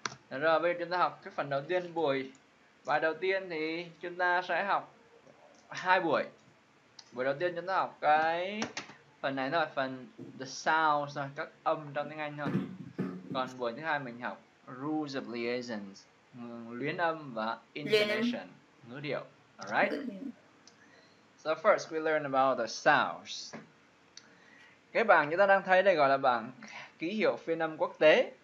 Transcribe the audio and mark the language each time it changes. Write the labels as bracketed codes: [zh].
[vi] Được rồi, bây giờ chúng ta học cái phần đầu tiên buổi. Bài đầu tiên thì chúng ta sẽ học hai buổi. Buổi đầu tiên chúng ta học cái phần này thôi, phần [en] the sounds, [vi] các âm trong tiếng Anh thôi. Còn buổi thứ hai mình học [en] rules of liaisons, [vi] luyến âm và intonation, ngữ điệu. [en] Alright. So first we learn about the sounds. [vi] Cái bảng chúng ta đang thấy đây gọi là bảng ký hiệu phiên âm quốc tế.